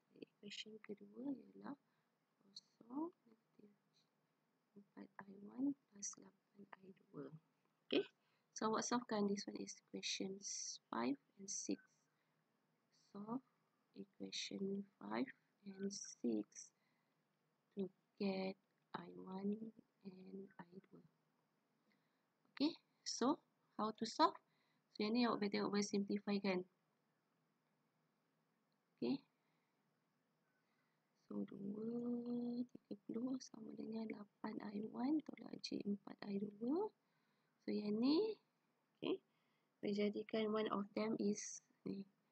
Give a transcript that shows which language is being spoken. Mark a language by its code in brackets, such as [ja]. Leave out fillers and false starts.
[ms] Equation kedua ialah kosong negatif 4 I1 plus 8 I2. [en] Okay, so So what solve can this one is equations 5 and 6. So equation 5 and 6 to get I1 and I2. Okay, so how to solve? [ms] So yang ni awak boleh tengok boleh simplify kan. [en] Okay. [ms] So 2, 30 sama dengan 8 I1 tolak J 4 I2. So yang ni, okay, saya jadikan [en] one of them is [ms] ni.